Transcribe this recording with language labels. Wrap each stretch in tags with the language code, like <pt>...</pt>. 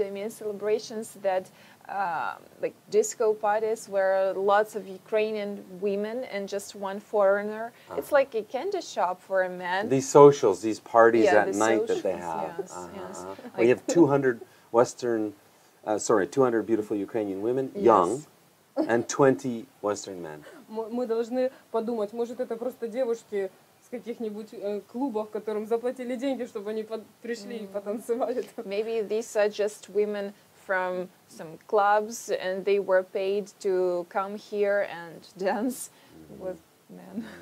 <en>I mean, celebrations that, like, disco parties where lots of Ukrainian women and just one foreigner. It's like a candy shop for a man. These socials, these parties yeah, at the night socials, that they have. Yes, yes. We have 200 Western, 200 beautiful Ukrainian women, young, and 20 Western men.</en> <ru>Мы должны подумать, может, это просто девушки каких-нибудь клубов, которым заплатили деньги, чтобы они пришли и потанцевали.</ru> <en>Maybe these are just women from some clubs and they were paid to come here and dance with men.</en>